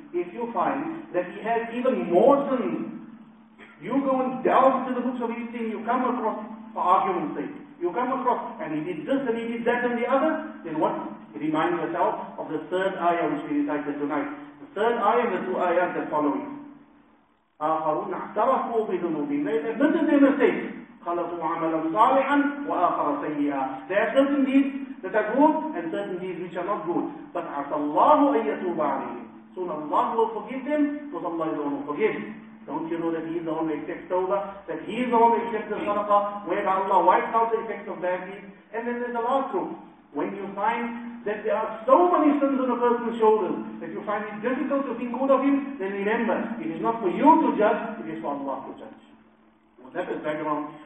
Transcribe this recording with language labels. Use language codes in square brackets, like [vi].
[en] If you find that he has even more sins, you go and delve into the books of anything you come across for argument's sake. You come across, and he did this, and he did that, and the other, then what? Remind yourself of the third ayah which we recited tonight. The third ayah and the two ayahs that follow it. [ar] آخَرُونَ اَحْتَرَفُوا بِذُنُوبِهِمْ. [en] They admitted their mistake. [ar] خَلَطُوا عَمَلًا صَالِحًا وَآخَرَ سَيِّئًا. [en] There are certain deeds that are good, and certain deeds which are not good. But [ar] عَسَى اللَّهُ أَن يَتُوبَ عَلَيْهِمْ. [en] Soon Allah will forgive them, because Allah is the one who forgives. Don't you know that He is the one who accepts tawbah? That He is the one who accepts the sadaqah, where Allah wipes out the effects of bad deeds? And then there's the last group. When you find that there are so many sins on a person's shoulders, that you find it difficult to think good of him, then remember, it is not for you to judge, it is for Allah to judge. Well, that is background.